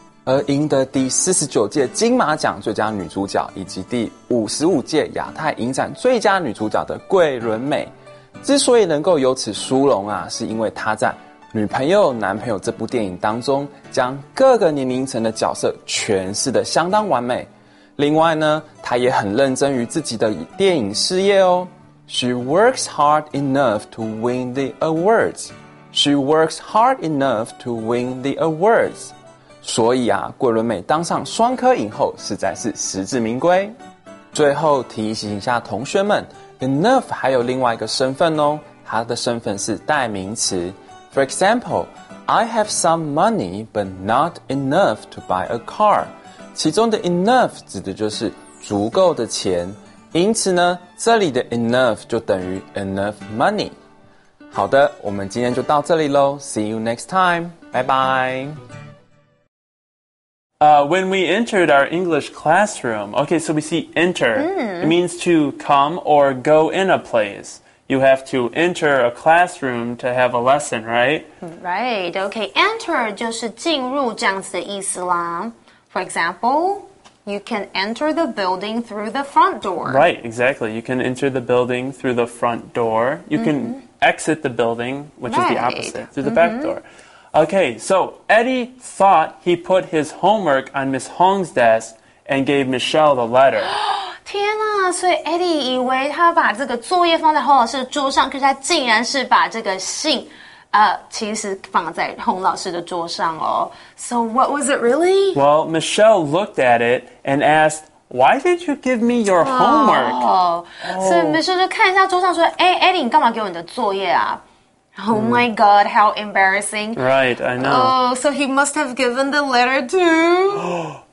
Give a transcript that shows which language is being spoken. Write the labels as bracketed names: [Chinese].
[Chinese] 而赢得第49届金马奖最佳女主角以及第55届亚太影展最佳女主角的桂纶镁，之所以能够有此殊荣啊，是因为她在《女朋友男朋友》这部电影当中，将各个年龄层的角色诠释得相当完美。另外呢，她也很认真于自己的电影事业哦。 [English] She works hard enough to win the awards. She works hard enough to win the awards. [Chinese] 所以啊，桂纶镁当上双科影后实在是实至名归。最后提醒一下同学们， enough 还有另外一个身份哦，它的身份是代名词。 [English] For example, I have some money but not enough to buy a car. [Chinese] 其中的 enough 指的就是足够的钱，因此呢，这里的 enough 就等于 enough money。好的，我们今天就到这里咯， [English] See you next time, [Chinese] 拜拜。 [English] When we entered our English classroom, okay, so we see enter, it means to come or go in a place. You have to enter a classroom to have a lesson, right? Right, okay, [Chinese] enter 就是进入这样子的意思啦。 [English] For example, you can enter the building through the front door. Right, exactly, you can enter the building through the front door. You can exit the building, which is the opposite, through the back door. Okay, so Eddie thought he put his homework on Miss Hong's desk and gave Michelle the letter. [Chinese] 天哪，所以 Eddie 以为他把这个作业放在洪老师的桌上，可是他竟然是把这个信，其实放在洪老师的桌上哦。 [English] So what was it really? Well, Michelle looked at it and asked, why did you give me your homework? [Chinese] So Michelle 就看一下桌上说，哎 ，Eddie， 你干嘛给我你的作业啊？ [English] Oh my god, how embarrassing. Right, I know. Oh, so he must have given the letter to...